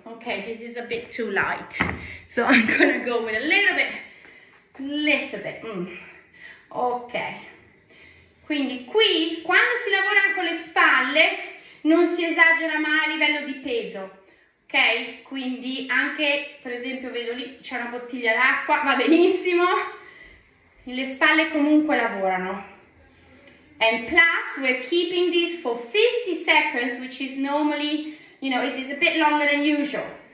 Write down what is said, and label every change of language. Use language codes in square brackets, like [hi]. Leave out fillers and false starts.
[en] Okay, this is a bit too light, so I'm gonna go with a little bit. Okay. [it] Quindi qui, quando si lavora con le spalle, non si esagera mai a livello di peso, ok? Quindi anche, per esempio, vedo lì, c'è una bottiglia d'acqua, va benissimo. Le spalle comunque lavorano. [en] And plus, we're keeping this for 50 seconds, which is normally, you know, this is a bit longer than usual.